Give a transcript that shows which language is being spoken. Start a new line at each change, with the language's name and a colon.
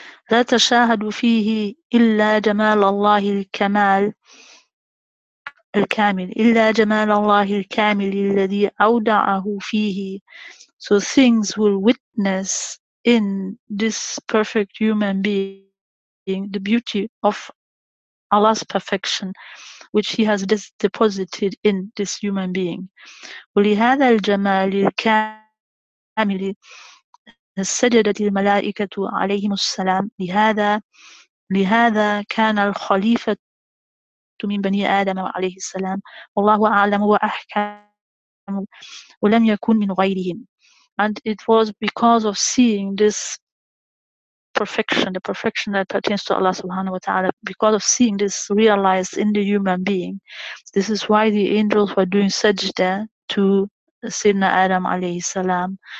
Arabic: لا تشاهد فيه إلا جمال الله الكمال الكامل إلا جمال الله الكامل الذي أودعه فيه.
English: So things will witness in this perfect human being the beauty of Allah's perfection, which He has deposited in this human being.
Arabic: ولهذا الجمال الكامل سجدت الملائكة عليهم السلام لهذا كان الخليفة من بني آدم عليه السلام والله أعلم وأحكم ولم يكن من غيرهم.
English: And it was because of seeing this perfection, the perfection that pertains to Allah subhanahu wa ta'ala, because of seeing this realized in the human being, this is why the angels were doing sajda to Sayyidina Adam alayhi salam.